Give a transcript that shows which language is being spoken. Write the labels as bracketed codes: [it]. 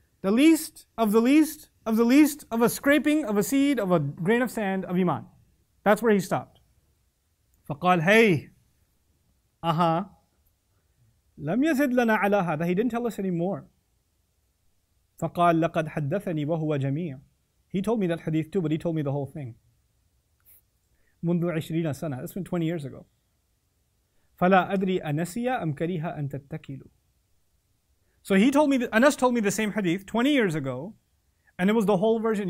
[en] The least of the least of the least of a scraping of a seed of a grain of sand of iman. That's where he stopped. [ar] فَقَالْ هَيْ لَمْ يَزِدْ لَنَا عَلَى هَذَا [en] He didn't tell us anymore. [ar] فَقَالْ لَقَدْ حَدَّثَنِي وَهُوَ جَمِيعٌ [en] He told me that hadith too, but he told me the whole thing. [ar] منذ عشرين سنة. [en] That's been 20 years ago. [ar] فَلَا أَدْرِي أَنَسِيَ أَمْ كَرِيهَ أَنْ تَتَّكِلُ [en] So he told me, Anas told me the same hadith 20 years ago, and it was the whole version.